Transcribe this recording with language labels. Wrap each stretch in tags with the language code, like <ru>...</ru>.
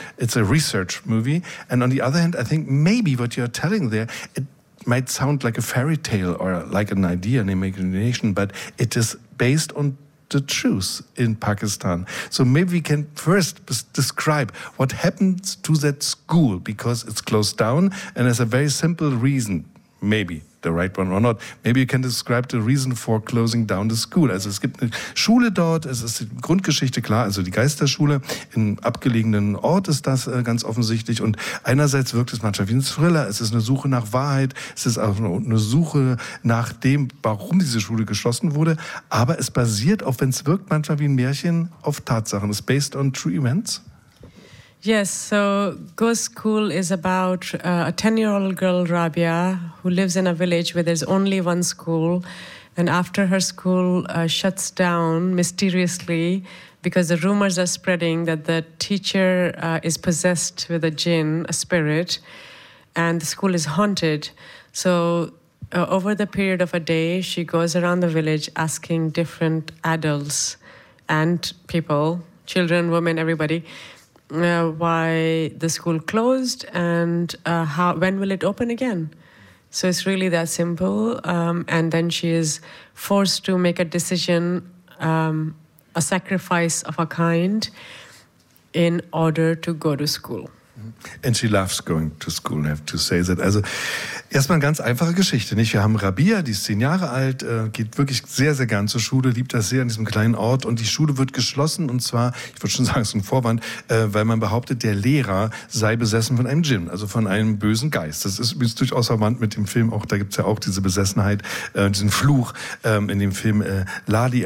<en>It's a research movie. And on the other hand, I think maybe what you're telling there, it might sound like a fairy tale or like an idea, an imagination, but it is based on the truth in Pakistan. So maybe we can first describe what happens to that school because it's closed down and there's a very simple reason, maybe the right one or not. Maybe you can describe the reason for closing down the school.</en> <de>Also es gibt eine Schule dort, es ist die Grundgeschichte, klar, also die Geisterschule. In abgelegenen Ort ist das ganz offensichtlich. Und einerseits wirkt es manchmal wie ein Thriller. Es ist eine Suche nach Wahrheit. Es ist auch eine Suche nach dem, warum diese Schule geschlossen wurde. Aber es basiert, auch wenn es wirkt manchmal wie ein Märchen, auf Tatsachen.</de> <en>It's based on true events. Yes, so Ghost School is about a 10-year-old girl, Rabia, who lives in a village where there's only one school. And after her school shuts down mysteriously because the rumors are spreading that the teacher is possessed with a jinn, a spirit, and the school is haunted. So over the period of a day, she goes around the village asking different adults and people, children, women, everybody, why the school closed and how when will it open again? So it's really that simple. And then she is forced to make a decision, a sacrifice of a kind, in order to go to school. And she loves going to school, I have to say that.</en> <de>Also erstmal eine ganz einfache Geschichte, nicht? Wir haben Rabia, die ist 10 Jahre alt, geht wirklich sehr, sehr gern zur Schule, liebt das sehr in diesem kleinen Ort. Und die Schule wird geschlossen und zwar, ich würde schon sagen, es ist ein Vorwand, weil man behauptet, der Lehrer sei besessen von einem Jinn, also von einem bösen Geist. Das ist übrigens durchaus verwandt mit dem Film, auch da gibt es ja auch diese Besessenheit, diesen Fluch in dem Film Lali.</de>